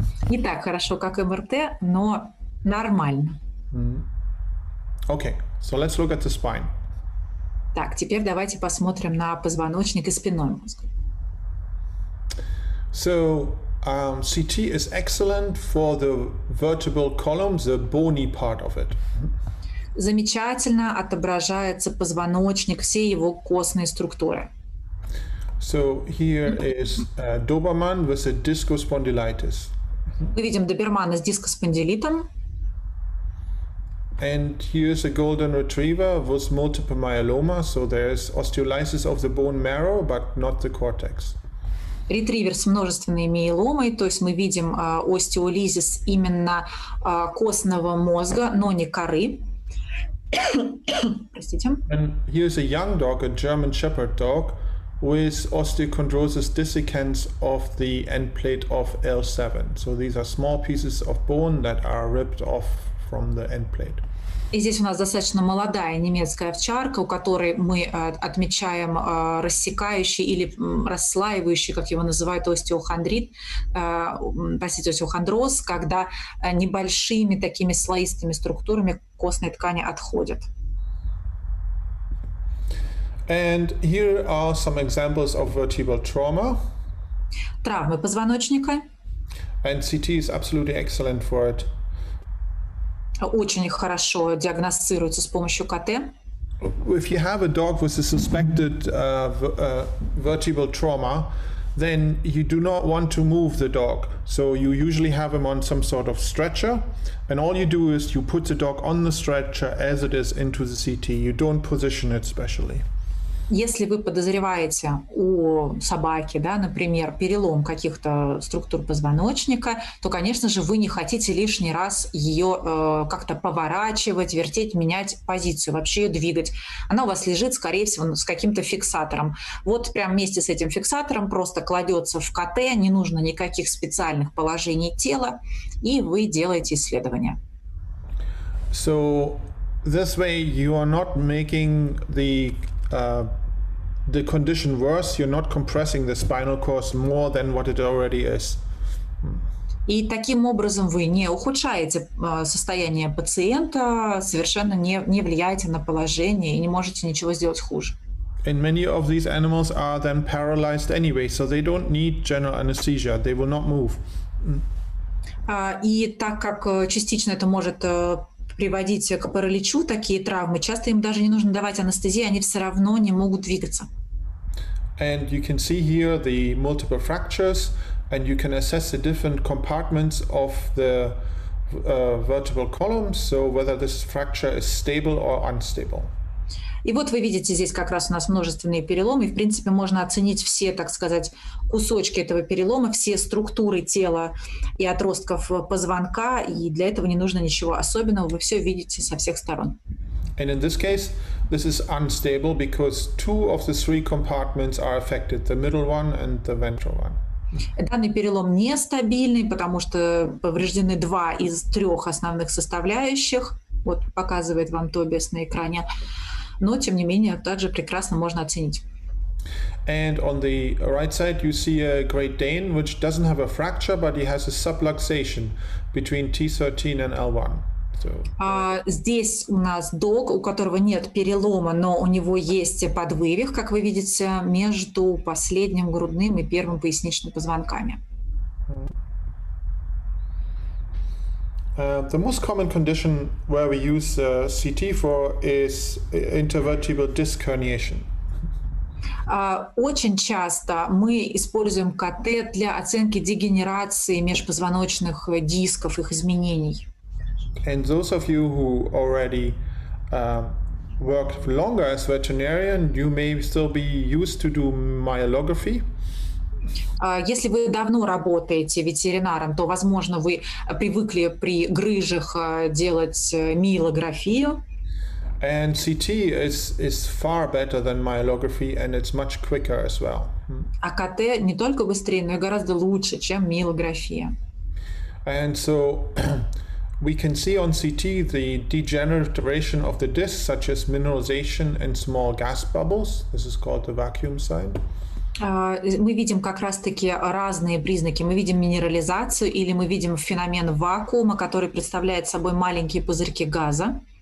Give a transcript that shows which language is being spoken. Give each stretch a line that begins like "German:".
Russian: Не так хорошо, как МРТ, но нормально.
English: Okay, so let's look at the spine.
Russian: Так, теперь давайте посмотрим на позвоночник и спинной мозг.
English: So, CT is excellent for the vertebral column, the bony part of it.
Russian: Замечательно отображается позвоночник, все его костные структуры.
English: So, here is a Doberman with a disco spondylitis.
Russian: Мы видим добермана с дискоспондилитом.
English: And here's a golden retriever with multiple myeloma, so there's osteolysis of the bone marrow, but not the cortex.
Russian: Ретривер с множественной миеломой, то есть мы видим остеолизис именно костного мозга, но не коры. Простите.
English: And here's a young dog, a German shepherd dog, with osteochondrosis dissecans of the end plate of L7. So these are small pieces of bone that are ripped off from the end plate.
Russian: И здесь у нас достаточно молодая немецкая овчарка, у которой мы отмечаем рассекающий или расслаивающий, как его называют, остеохондроз, когда небольшими такими слоистыми структурами костной ткани отходят.
English: And here are some examples of vertebral trauma.
Russian: Травмы позвоночника.
English: And CT is absolutely excellent for it.
Russian: Очень хорошо диагностируется с помощью КТ.
English: If you have a dog with a suspected vertebral trauma, then you do not want to move the dog. So you usually have him on some sort of stretcher, and all you do is you put the dog on the stretcher as it is into the CT. You don't position it specially.
Russian: Если вы подозреваете у собаки, да, например, перелом каких-то структур позвоночника, то, конечно же, вы не хотите лишний раз ее как-то поворачивать, вертеть, менять позицию, вообще ее двигать. Она у вас лежит, скорее всего, с каким-то фиксатором. Вот прямо вместе с этим фиксатором просто кладется в КТ, не нужно никаких специальных положений тела, и вы делаете исследование.
English: So, this way you are not making the condition worse, you're not compressing the spinal cord more than what it already is.
Russian: И таким образом вы не ухудшаете состояние пациента, совершенно не влияете на положение и не можете ничего сделать хуже.
English: And many of these animals are then paralyzed anyway, so they don't need general anesthesia, they will not move.
Russian: И так как частично это может приводить к параличу, такие травмы, часто им даже не нужно давать анестезию, они все равно не могут двигаться.
English: And you can see here the multiple fractures, and you can assess the different compartments of the vertebral column, so whether this fracture is stable or unstable.
Russian: И вот вы видите, здесь как раз у нас множественные переломы, и в принципе можно оценить все, так сказать, кусочки этого перелома, все структуры тела и отростков позвонка, и для этого не нужно ничего особенного, вы все видите со всех сторон.
English: And in this case, this is unstable because two of the three compartments are affected, the middle one and the ventral one.
Russian: Данный перелом нестабильный, потому что повреждены два из трех основных составляющих. Вот показывает вам Тобиас на экране. Но, тем не менее, также прекрасно можно оценить.
English: And on the right side you see a Great Dane, which doesn't have a fracture, but he has a subluxation between T13 and L1.
Russian: Здесь у нас дог, у которого нет перелома, но у него есть подвывих, как вы видите, между последним грудным и первым поясничным позвонками.
English: The most common condition where we use CT for is intervertebral disc herniation.
Russian: Очень часто мы используем КТ для оценки дегенерации межпозвоночных дисков, их изменений.
English: And those of you who already worked longer as veterinarian, you may still be used to do myelography.
Russian: Если вы давно работаете ветеринаром, то, возможно, вы привыкли при грыжах делать миелографию.
English: And CT is far better than myelography, and it's much quicker as well.
Russian: А КТ не только быстрее, но и гораздо лучше, чем миелография.
English: And so we can see on CT the degeneration of the disc, such as mineralization and small gas bubbles. This is called the vacuum sign.
Russian: Мы видим как раз-таки разные признаки. Мы видим минерализацию или мы видим феномен вакуума, который представляет собой маленькие пузырьки газа.